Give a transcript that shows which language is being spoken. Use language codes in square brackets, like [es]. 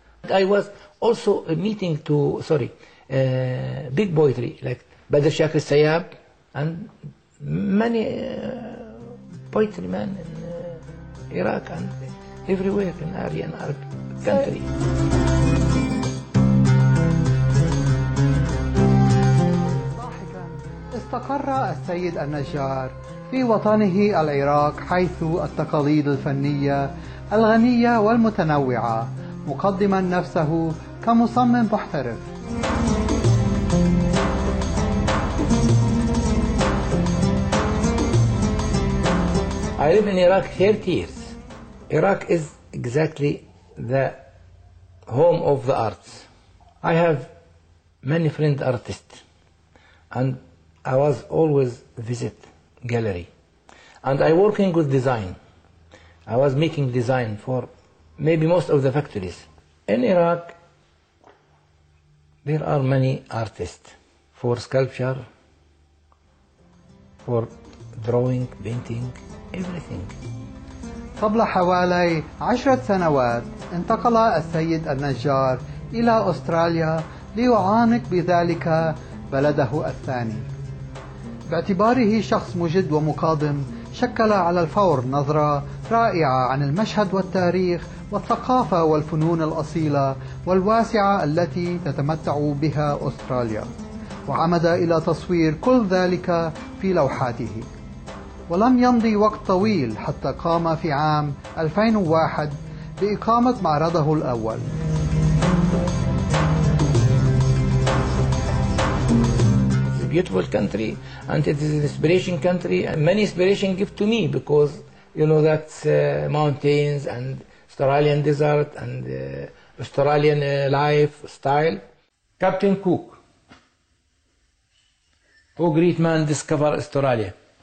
[en] I was also meeting to sorry big poetry like Badr Shakir Sayab and many poetry men in Iraq and everywhere in Aryan Arab country. [ar] استقر السيد النجار في وطنه العراق حيث التقاليد الفنية الغنية والمتنوعة مقدما نفسه كمصمم محترف [en] I live in Iraq 30 years Iraq is exactly the home of the arts I have many friend artists and I was always visit gallery and I working with design. I was making design for maybe most of the factories. In Iraq, there are many artists for sculpture, for drawing, painting, everything. [ar] قبل حوالي 10 سنوات انتقل السيد النجار إلى أستراليا ليعانق بذلك بلده الثاني. باعتباره شخص مجد ومقادم شكل على الفور نظرة رائعة عن المشهد والتاريخ والثقافة والفنون الأصيلة والواسعة التي تتمتع بها أستراليا، وعمد إلى تصوير كل ذلك في لوحاته. ولم يمضي وقت طويل حتى قام في عام 2001 بإقامة معرضه الأول. [en] Beautiful country, and it is an inspiration country, and many inspiration give to me because you know that mountains and Australian desert and Australian life style. Captain Cook, who great man discovered Australia.